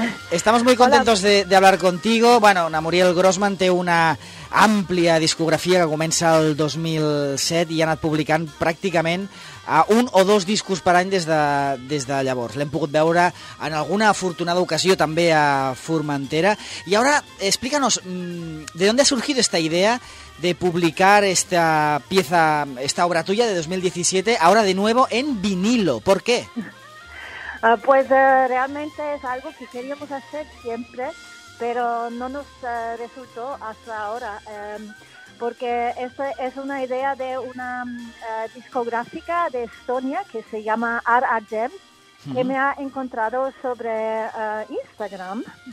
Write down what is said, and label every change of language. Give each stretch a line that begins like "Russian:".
Spanish: Estamos muy contentos de hablar contigo.
Catalan: Bueno, la Muriel Grossman té una àmplia discografia que comença el 2007 i ha anat publicant pràcticament a un o dos discos per any des de llavors. L'hem pogut veure en alguna afortunada ocasió també a Formentera. I ara
Spanish: explícanos, ¿de dónde ha surgido esta idea de publicar esta pieza, esta obra tuya de 2017, ahora de nuevo en vinilo? ¿Por qué? Pues realmente es algo que queríamos hacer siempre, pero no nos resultó hasta ahora, porque esta es una idea de una discográfica de Estonia que se llama RRM, que me ha encontrado sobre Instagram.